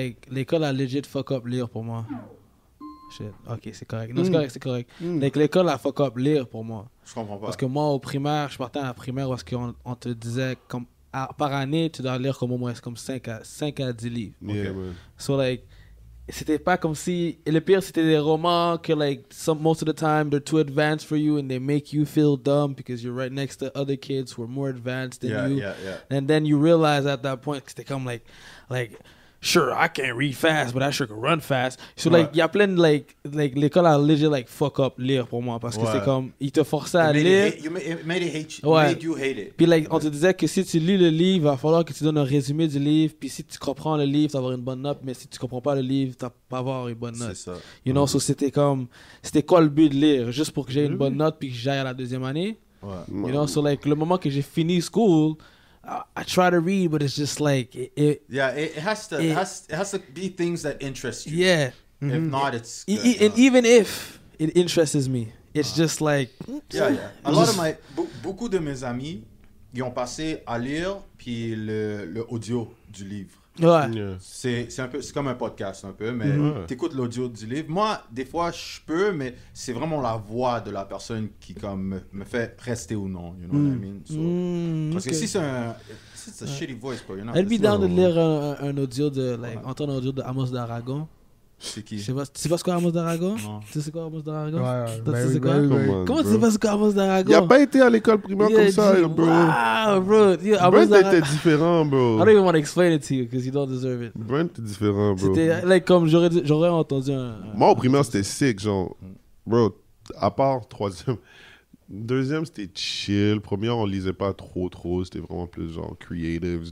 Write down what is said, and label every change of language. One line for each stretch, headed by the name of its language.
French: l'école a legit fuck up lire pour moi. Shit. Ok, c'est correct. Non, c'est correct. Like, l'école a fuck up lire pour moi. Je comprends pas parce que moi au primaire, je partais à la primaire parce qu'on te disait comme par année, tu dois lire comme au moins comme 5 à 10 livres.
English: Okay. Yeah,
French: so, like, c'était pas comme si... Et le pire, c'était des romans que,
English: like, most of the time, they're too advanced for you and they make you feel dumb because you're right next to other kids who are more advanced than you. Yeah. And then you realize at that point,
French: c'était comme,
English: like, sure, I can't read fast, but I sure can run fast. So, ouais.
French: Like, il y a plein de, like, l'école a legit, like, fuck up lire pour moi, parce que ouais. C'est comme, il te forçait à
English: it
French: lire.
English: Hate, you made, it hate you. Ouais. Made you hate it.
French: Puis, like, on te disait que si tu lis le livre, il va falloir que tu donnes un résumé du livre, puis si tu comprends le livre, tu vas avoir une bonne note, mais si tu comprends pas le livre, tu vas pas avoir une bonne note. C'est ça.
English: You know,
French: so c'était comme, c'était quoi le but de lire? Juste pour que j'aie une bonne note, puis que j'aille à la deuxième année? Ouais.
English: You know, so, like,
French: le moment que j'ai fini
English: school, I try to read, but it's just like it. Yeah, it has to be things that interest you. Yeah. Mm-hmm. If not, it's good. And even if it interests me, it's just like yeah. A lot of my
French: beaucoup de mes amis, ils ont passé à lire puis le audio du livre. Ouais.
English: Yeah.
French: C'est un peu c'est comme un podcast un peu, mais mm-hmm. T'écoutes l'audio du livre. Moi, des fois, je peux, mais c'est vraiment la voix de la personne qui comme me fait rester ou non.
English: You know what I mean? So,
French: parce que si c'est un c'est
English: a shitty voice, bro.
French: Elle me donne de lire un audio de entendre un audio de Amos d'Aragon. C'est qui? Tu sais pas ce qu'est Amos d'Aragon? Non. Tu sais quoi Amos d'Aragon? Ouais, tu sais quoi? Comment tu sais pas ce qu'est Amos d'Aragon? Il a pas été à l'école primaire comme ça, bro.
English: Wow, bro. Yeah,
French: Brent était différent, bro.
English: I don't even want to explain it to you because you don't deserve it.
French: Brent était différent, bro. C'était like, comme j'aurais entendu un... Moi, au primaire, c'était sick, genre. Bro, à part troisième. Deuxième, c'était chill. Premier, on lisait pas trop. C'était vraiment plus genre creative.